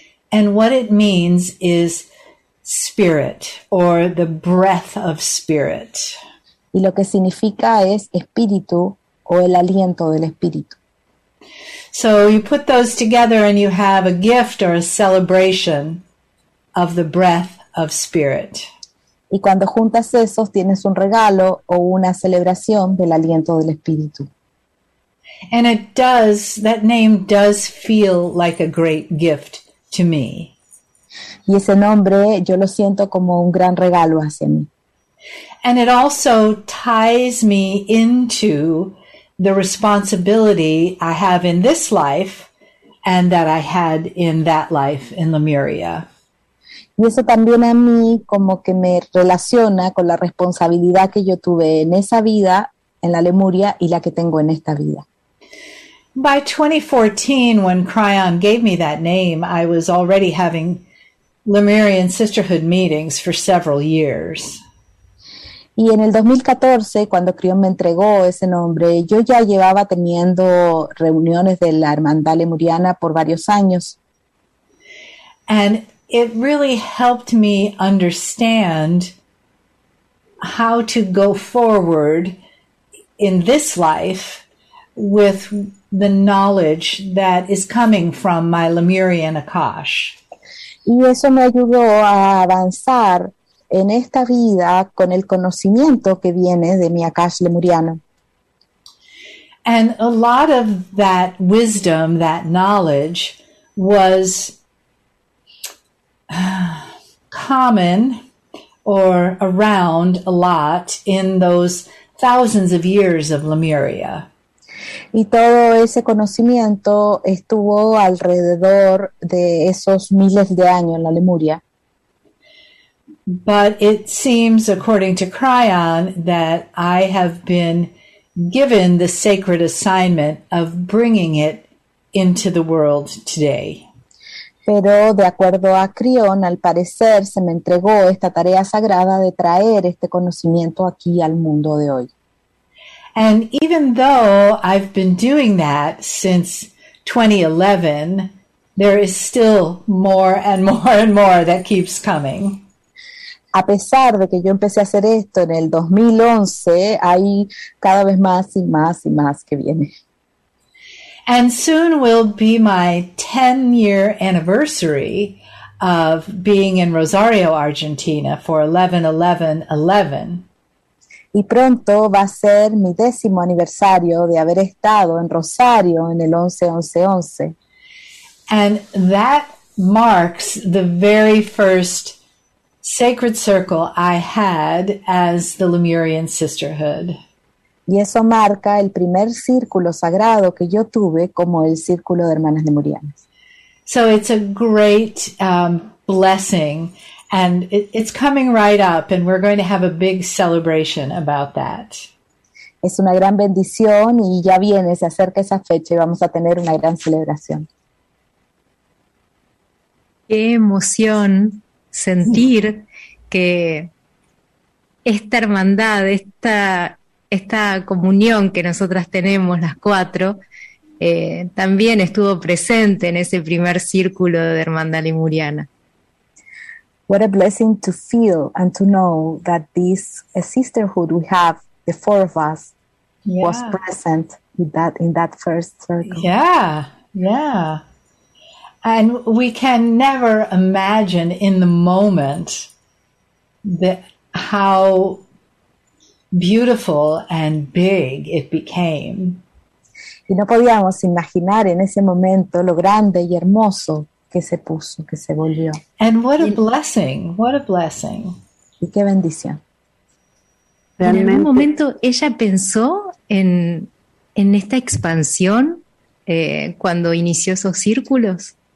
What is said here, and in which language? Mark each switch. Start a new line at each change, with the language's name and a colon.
English: And what it means is spirit or the breath of spirit.
Spanish: Y lo que significa es espíritu o el aliento del espíritu.
English: So you put those together and you have a gift or a celebration of the breath of spirit.
Spanish: Y cuando juntas esos tienes un regalo o una celebración del aliento del espíritu.
English: And it does, that name does feel like a great gift to me.
Spanish: Y ese nombre yo lo siento como un gran regalo hacia mí.
English: And it also ties me into the responsibility I have in this life and that I had in that life in Lemuria.
Spanish: Y eso también a mí como que me relaciona con la responsabilidad que yo tuve en esa vida, en la Lemuria, y la que tengo en esta vida.
English: By 2014, when Cryon gave me that name, I was already having Lemurian sisterhood meetings for several years.
Spanish: Y en el 2014, cuando Cryon me entregó ese nombre, yo ya llevaba teniendo reuniones de la hermandad lemuriana por varios años.
English: And it really helped me understand how to go forward in this life with the knowledge that is coming from my Lemurian Akash.
Spanish: Y eso me ayudó a avanzar en esta vida con el conocimiento que viene de mi Akash Lemuriano.
English: And a lot of that wisdom, that knowledge, was common or around a lot in those thousands of years of Lemuria.
Spanish: Y todo ese conocimiento estuvo alrededor de esos miles de años en la Lemuria.
English: But it seems, according to Cryon, that I have been given the sacred assignment of bringing it into the world today.
Spanish: Pero de acuerdo a Cryon, al parecer se me entregó esta tarea sagrada de traer este conocimiento aquí al mundo de hoy.
English: And even though I've been doing that since 2011, there is still more and more and more that keeps coming.
Spanish: A pesar de que yo empecé a hacer esto en el 2011, hay cada vez más y más y más que viene.
English: And soon will be my 10-year anniversary of being in Rosario, Argentina for 11-11-11.
Spanish: Y pronto va a ser mi décimo aniversario de haber estado en Rosario en el 11-11-11.
English: And that marks the very first sacred circle I had as the Lemurian Sisterhood.
Spanish: Y eso marca el primer círculo sagrado que yo tuve como el Círculo de Hermanas Lemurianas.
English: So it's a great blessing. And it's coming right up, and we're going to have a big celebration about that.
Spanish: Es una gran bendición, y ya viene, se acerca esa fecha, y vamos a tener una gran celebración. Qué emoción sentir que esta hermandad, esta comunión que nosotras tenemos, las cuatro, también estuvo presente en ese primer círculo de hermandad lemuriana.
English: What a blessing to feel and to know that this a sisterhood we have, the four of us, yeah, was present in that first circle. Yeah, yeah. And we can never imagine in the moment how beautiful and big it became.
Spanish: Y no podíamos imaginar en ese momento lo grande y hermoso que se puso, que se volvió.
English: And what a blessing, what a blessing.
Spanish: Y qué bendición. Realmente. En algún momento ella pensó en esta expansión cuando inició esos círculos.